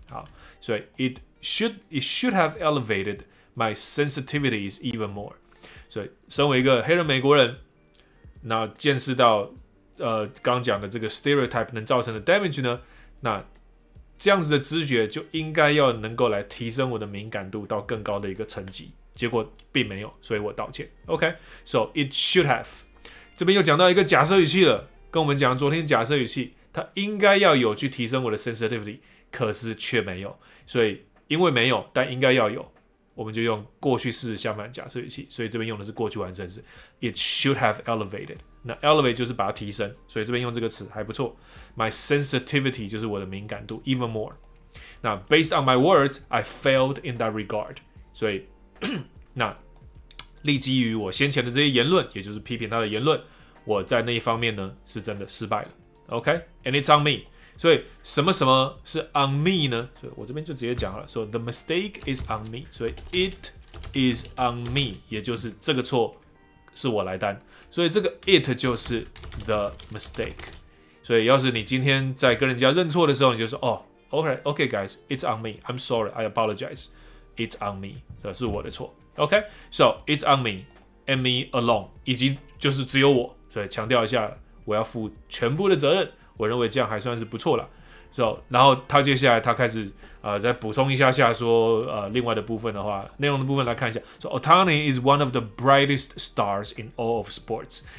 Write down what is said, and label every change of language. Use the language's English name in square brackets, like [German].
[Chinese] 好，所以 [English] it should have elevated my sensitivities even more。 [Chinese] 所以身为一个黑人美国人，那见识到刚讲的这个 stereotype 能造成的 damage 呢，那这样子的知觉就应该要能够来提升我的敏感度到更高的一个层级，结果并没有，所以我道歉。 OK， [English] so it should have。 [Chinese] 这边又讲到一个假设语气了，跟我们讲昨天假设语气，它应该要有去提升我的 sensitivity， 可是却没有，所以因为没有，但应该要有，我们就用过去式相反假设语气，所以这边用的是过去完成式 ， [English] it should have elevated。 [Chinese] 那 elevate 就是把它提升，所以这边用这个词还不错。 [English] My sensitivity [Chinese] 就是我的敏感度 [English] even more。那 based on my words, I failed in that regard。 [Chinese] 所以那立基于我先前的这些言论，也就是批评他的言论，我在那一方面呢是真的失败了。 [English] OK, and it's on me. [Chinese] 所以什么什么是 [English] on me 呢？ [Chinese] 所以我这边就直接讲了，说 [English] the mistake is on me. [Chinese] 所以 [English] it is on me, [Chinese] 也就是这个错是我来担。所以这个 it 就是 [English] the mistake。 [Chinese] 所以要是你今天在跟人家认错的时候，你就说哦。 [English] Okay, guys, it's on me. I'm sorry. I apologize. It's on me. [Chinese] 这是我的错。 [English] Okay, so it's on me and me alone. [Chinese] 以及就是只有我，所以强调一下，我要负全部的责任。我认为这样还算是不错了。So, 然后他接下来他开始再补充一下下说另外的部分的话，内容的部分来看一下。 [English] So, Otani is one of the brightest stars in all of sports.